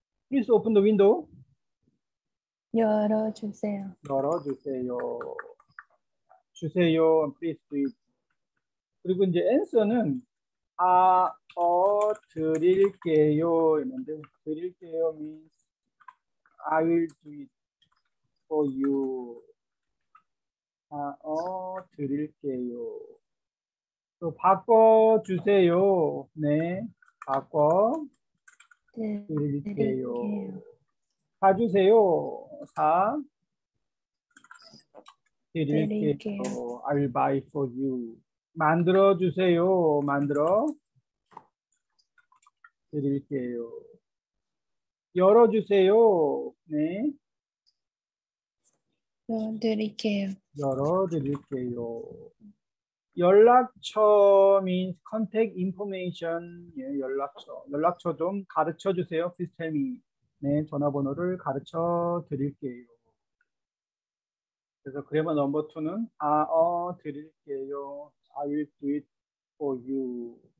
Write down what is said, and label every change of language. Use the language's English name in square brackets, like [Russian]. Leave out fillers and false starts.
[English] Please open the window. [Korean] 열어주세요. 열어주세요. 주세요. [English] Please do it. [Korean] 그리고 이제 answer는 아, 드릴게요. 있는데 드릴게요 [English] means I will do it for you. [Korean] 아, 드릴게요. 또 바꿔주세요. 네, 바꿔. 드릴게요. 사주세요. 사 드릴게요. [English] I'll buy for you. [Korean] 만들어 주세요. 만들어 드릴게요. 열어 주세요. 네. 드릴게요. 열어 드릴게요. [English] 연락처 means contact information. [Korean] 예, 연락처. 연락처 좀 가르쳐 주세요. [English] Please tell me. [Korean] 네, 전화번호를 가르쳐 드릴게요. 그래서 그래머 넘버 2는 아, 드릴게요. [English] I will do it for you.